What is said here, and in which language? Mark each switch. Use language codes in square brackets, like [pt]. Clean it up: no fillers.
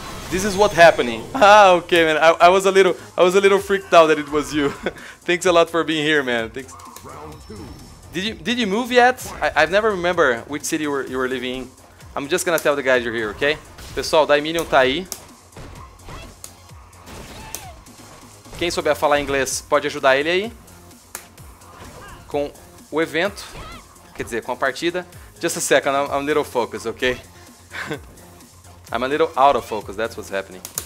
[en] This is what's happening. Ah, okay, man. I was a little freaked out that it was you. Thanks a lot for being here, man. Thanks. Did you move yet? I've never remember which city you were living in. I'm just gonna tell the guys you're here, okay? [pt] Pessoal, Daiminion tá aí. Quem souber falar inglês pode ajudar ele aí. Com o evento. Quer dizer, com a partida. [en] Just a second, I'm a little focused, okay? I'm a little out of focus, that's what's happening.